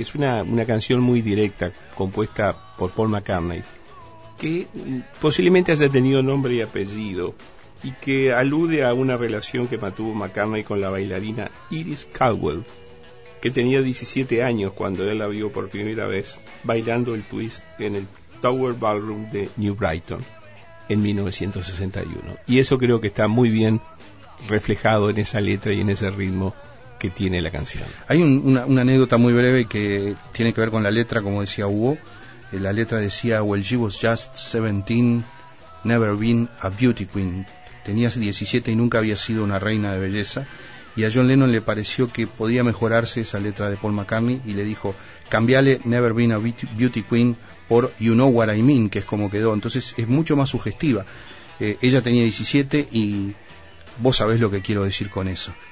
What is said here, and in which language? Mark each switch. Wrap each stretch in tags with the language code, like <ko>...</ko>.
<es>Es una canción muy directa, compuesta por Paul McCartney, que posiblemente haya tenido nombre y apellido, y que alude a una relación que mantuvo McCartney con la bailarina Iris Caldwell, que tenía 17 años cuando él la vio por primera vez bailando el twist en el Tower Ballroom de New Brighton en 1961. Y eso creo que está muy bien reflejado en esa letra y en ese ritmo que tiene la canción. Hay una anécdota muy breve que tiene que ver con la letra, como decía Hugo. La letra decía:</es> <en>"Well, she was just 17, never been a beauty queen."</en> <es>Tenía 17 y nunca había sido una reina de belleza. Y a John Lennon le pareció que podía mejorarse esa letra de Paul McCartney y le dijo: "Cambiale</es> <en>'Never Been a Beauty Queen'</en> <es>por</es> <en>'You Know What I Mean'",</en> <es>que es como quedó. Entonces es mucho más sugestiva. Ella tenía 17 y vos sabés lo que quiero decir con eso.</es>